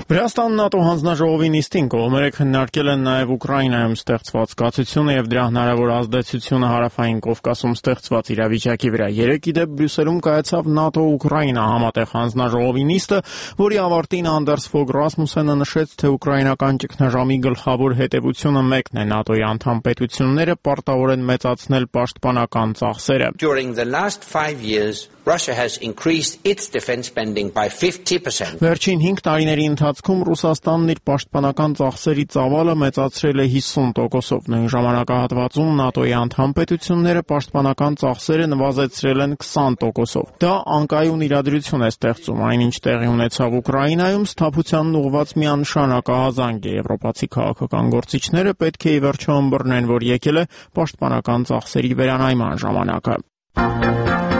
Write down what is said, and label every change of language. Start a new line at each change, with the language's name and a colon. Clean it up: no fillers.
Armenian: Վրաստանի ՆԱՏՕ հանձնաժողովի նիստին կողմերը քննարկել են նաև Ուկրաինայում ստեղծված զգացությունը և դրա հնարավոր ազդեցությունը հարավային Կովկասում ստեղծված իրավիճակի վրա։ Երեկի դեպ Բրյուսելում կայացավ ՆԱՏՕ-Ուկրաինա համատեղ հանձնաժողովի նիստը, որի ավարտին Անդերս Ֆոգ Ռասմուսենը նշեց, թե ուկրաինական ճգնաժամի գլխավոր հետևությունը մեկն է ՆԱՏՕ-ի անդամ պետությունները պարտավորեն մեծացնել պաշտպանական ծախսերը։
English: Russia has increased its defense spending by 50%.
Armenian: Վերջին 5 տարիների ընթացքում Ռուսաստանն իր պաշտպանական ծախսերի ծավալը մեծացրել է 50%-ով։ Նույն ժամանակահատվածում ՆԱՏՕ-ի անդամ պետությունները պաշտպանական ծախսերը նվազեցրել են 20%-ով։ Դա անկայուն իրադրություն է ստեղծում, այնինչ տեղի ունեցավ Ուկրաինայում, սթափությանն ուղված միանշանակ ահազանգ է։ Եվրոպացի քաղաքական գործիչները պետք է ի վերջո ըմբռնեն, որ եկել է պաշտպանական ծախսերի վերանայման ժամանակը։